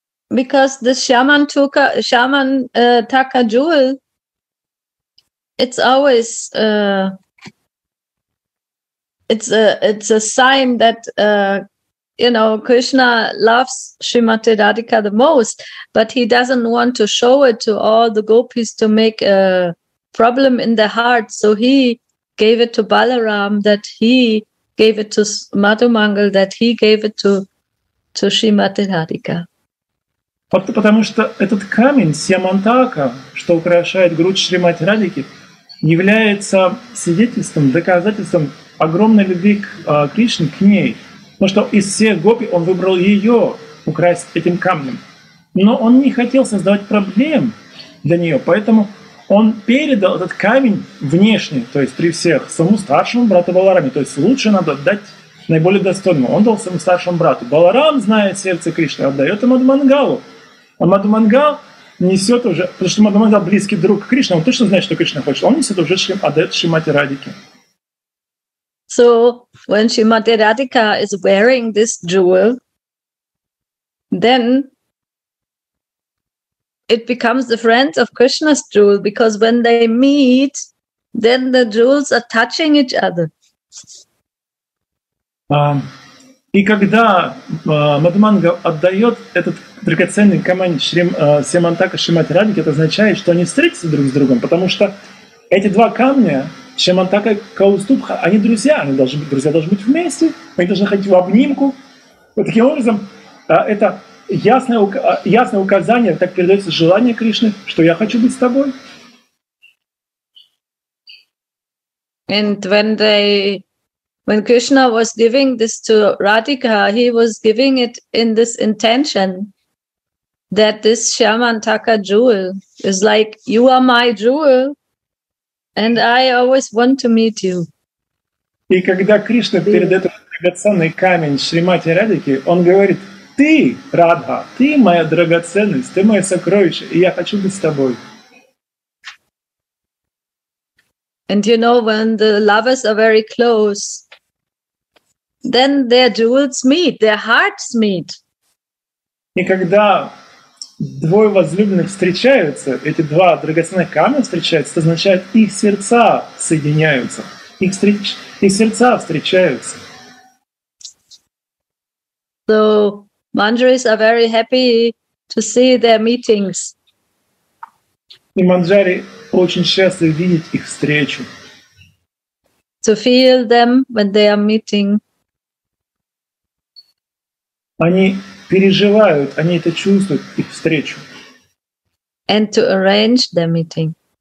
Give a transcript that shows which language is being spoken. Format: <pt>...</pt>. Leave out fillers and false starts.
<en>Because the Syamantaka jewel, it's always a sign that Krishna loves Srimati Radhika the most, but he doesn't want to show it to all the gopis to make a problem in their heart. So he gave it to Balaram, that he gave it to Madhu Mangal, that he gave it to Srimati Radhika.</en> <ru>Потому что этот камень Сьямантака, что украшает грудь Шримати Радхики, является свидетельством, доказательством огромной любви к Кришне, к ней. Потому что из всех гопи он выбрал ее украсть этим камнем. Но он не хотел создавать проблем для нее, поэтому он передал этот камень внешне, то есть при всех, своему старшему брату Баларами. То есть лучше надо дать наиболее достойному. Он дал своему старшему брату. Баларам, зная сердце Кришны, отдает ему Мадхумангалу. А Мадхумангал несет уже, потому что Мадхумангал близкий друг Кришны, он точно знает, что Кришна хочет. Он несет уже отдает Шримати Радхике.</ru> <en>So, when Шримати Радхика is wearing this jewel, then it becomes the friend of Krishna's jewel, because when they meet, then the jewels are touching each other.</en> <ru>И когда Мадхумангал отдает этот драгоценный камень Сьямантака Шримати Радхике, это означает, что они встретятся друг с другом, потому что эти два камня, Сьямантака и Каустубха, они друзья, они должны быть, друзья должны быть вместе, они должны ходить в обнимку. Вот таким образом, это ясное указание, так передается желание Кришны, что я хочу быть с тобой.</ru> <en>And when they... When Krishna was giving this to Radhika, he was giving it in this intention that this Sharmantaka jewel is like, you are my jewel and I always want to meet you.</en> <ru>И когда Кришна передает драгоценный камень Шримати Радхике, он говорит, ты, Радха, ты моя драгоценность, ты мое сокровище, и я хочу быть с тобой.</ru> <en>And you know, when the lovers are very close, then their jewels meet, their hearts meet.</en> <ru>И когда двое возлюбленных встречаются, эти два драгоценных камня встречаются, это означает, их сердца соединяются, их сердца встречаются.</ru> <en>So Manjaris are very happy to see their meetings.</en> <ru>И Манджари очень счастливы видеть их встречу.</ru> <en>To feel them when they are meeting.</en> <ru>Они переживают, они это чувствуют, их встречу.</ru> <en>And to arrange the meeting.</en>